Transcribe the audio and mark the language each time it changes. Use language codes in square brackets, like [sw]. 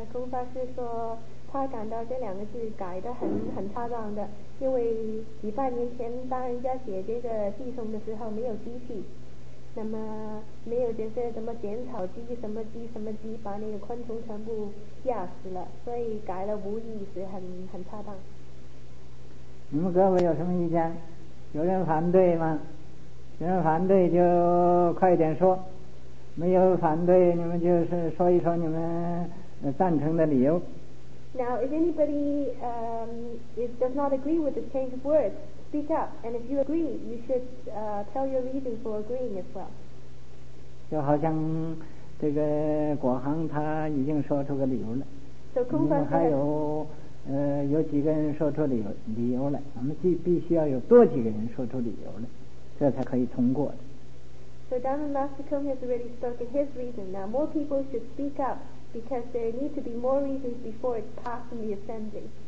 [zh] 法师说他感到这两个字改得很恰当的，因为几百年前当人家写这个寄送的时候没有机器，那么没有这些什么剪草机什么机什么机把那个昆虫全部压死了，所以改了无意是很恰当。你们各位有什么意见？有人反对吗？有人反对就快点说，没有反对你们就是说一说你们赞成的理由。 [en] Now, if anybody does not agree with this change of words, speak up. And if you agree, you should tell your reason for agreeing as well. [zh] 就好像这个果行他已经说出个理由了。 [en] So, 空方 [zh] 还有有几个人说出理由来，我们必须要有多几个人说出理由来，这才可以通过的。 [en] So, Diamond Master Kung has already spoken his reason. Now, more people should speak up. Because there need to be more reasons before it's passed in the assembly.